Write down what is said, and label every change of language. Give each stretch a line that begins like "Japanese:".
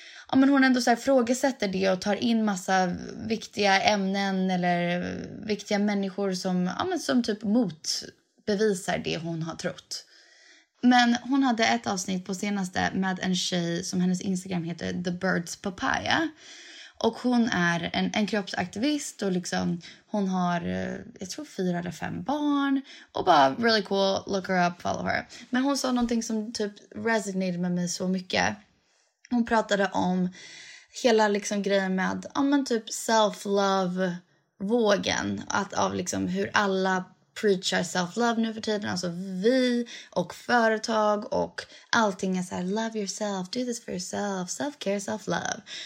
Swedish: Ja, men hon ändå så här frågesätter det och tar in massa viktiga ämnen eller viktiga människor som, ja, men som typ motbevisar det hon har trott. Men hon hade ett avsnitt på senaste med en tjej som hennes Instagram heter The Birds Papaya. Och hon är en kroppsaktivist och liksom hon har, jag tror, 4 eller 5 barn. Och bara
English: really cool, look her up, follow her.
Swedish: Men hon sa någonting som typ resonated med mig så mycket. Hon pratade om hela liksom grejen med typ self-love-vågen. Att av liksom hur alla preachar self-love nu för tiden. Alltså vi och företag och allting är så här,
English: love yourself, do this for yourself, self-care, self-love.